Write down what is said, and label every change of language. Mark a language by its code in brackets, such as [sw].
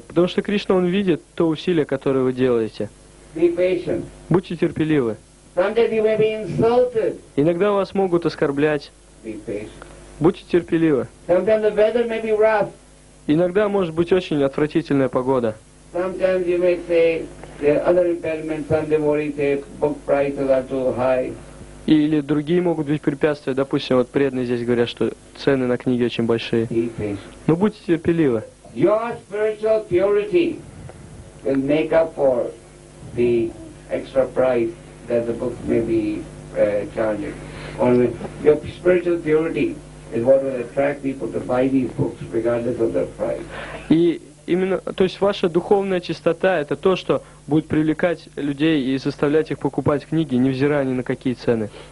[ru] Потому что Кришна, Он видит то усилие, которое вы делаете. [en] Be patient. [ru] Будьте терпеливы. [en] Sometimes you may be insulted. [ru] Иногда вас могут оскорблять. [en] Be patient. [ru] Будьте терпеливы. [en] Sometimes the weather may be rough. [ru] Иногда может быть очень отвратительная погода. [en] Sometimes you may say there are other impediments. Some devotees say book prices are too high. [ru] Или другие могут быть препятствия. Допустим, вот преданные здесь говорят, что цены на книги очень большие. Но будьте терпеливы. [en] Your spiritual purity will make up for the extra price that the book may be charging. Only your spiritual purity is what will attract people to buy these books, regardless of their price. [ru] То есть ваша духовная чистота – это то, что будет привлекать людей и заставлять их покупать книги, невзирая ни на какие цены.